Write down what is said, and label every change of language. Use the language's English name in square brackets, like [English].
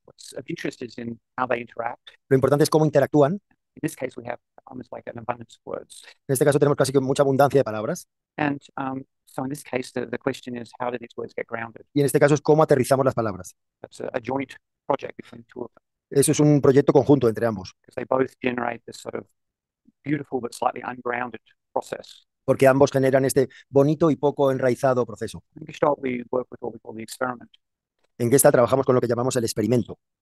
[English] What's of interest is in how they interact. [Spanish] Lo importante es cómo interactúan. [English] In this case, we have almost like an abundance of words. [Spanish] En este caso tenemos casi que mucha abundancia de palabras. [English] And, so in this case, the question is how do these words get grounded? [Spanish] Y en este caso es cómo aterrizamos las palabras. [English] That's a joint project between two of them. [Spanish] Eso es un proyecto conjunto entre ambos. [English] Because they both generate this sort of beautiful but slightly ungrounded process. [Spanish] Porque ambos generan este bonito y poco enraizado proceso. [English] In Gestalt, we work with what we call the experiment. [Spanish] En Gestalt trabajamos con lo que llamamos el experimento.